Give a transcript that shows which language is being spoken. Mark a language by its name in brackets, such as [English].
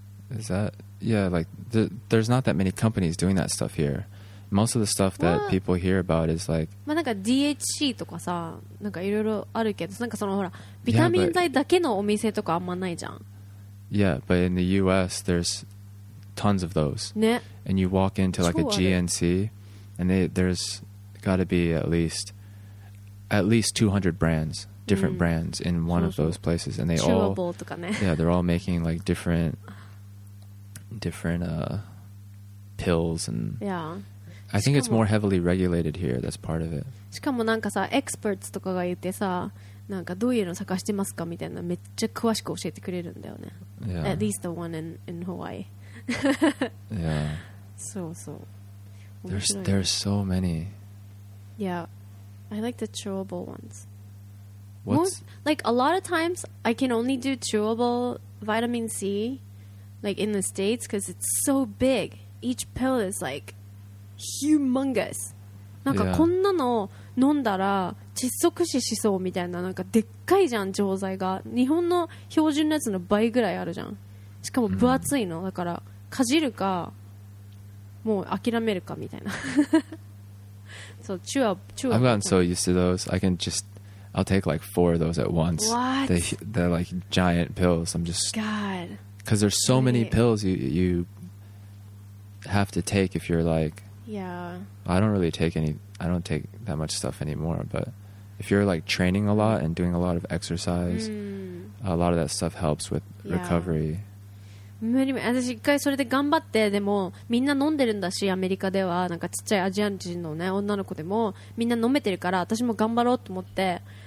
[English] Is that, yeah, like there's not that many companies doing that stuff here. Most of the stuff that people hear about is like, [Japanese] まあなんか DHC とかさ、なんかいろいろあるけど、なんかそのほらビタミン剤だけのお店とかあんまないじゃん。 [English] Yeah, but in the US there's tons of those. [Japanese] ね。 [English] And you walk into like a GNC and there's gotta be at least 200 brands, different brands in one of those places, and they all [Japanese] chewable とかね。 [English] Yeah, they're all making like different pills and yeah. I think it's more heavily regulated here. That's part of it. [Japanese] しかもなんかさ、experts とかが言ってさ、なんかどういうの探してますかみたいな、めっちゃ詳しく教えてくれるんだよね。 [English] Yeah. At least the one in Hawaii. yeah. [Japanese] そうそう。 [English] There's so many. Yeah. I like the chewable ones. What's... Most, like a lot of times, I can only do chewable vitamin C, like in the States, because it's so big. Each pill is like... humongous [Japanese] なんかこんなの飲んだら窒息死しそうみたいななんかでっかいじゃん錠剤が日本の標準のやつの倍ぐらいあるじゃんしかも分厚いの、mm. だからかじるかもう諦めるかみたいなそう、 [English] chew up I've gotten so used to those I can just I'll take like four of those at once What? They're like giant pills I'm just God Because there's so many pills you have to take if you're like Yeah. I don't take that much stuff anymore, but if you're like training a lot and doing a lot of exercise,、 mm. a lot of that stuff helps with recovery. Yeah. [Japanese] 私一回それで頑張って、でもみんな飲んでるんだし、アメリカではなんかちっちゃいアジア人のね、女の子でもみんな飲めてるから、私も頑張ろうと思って。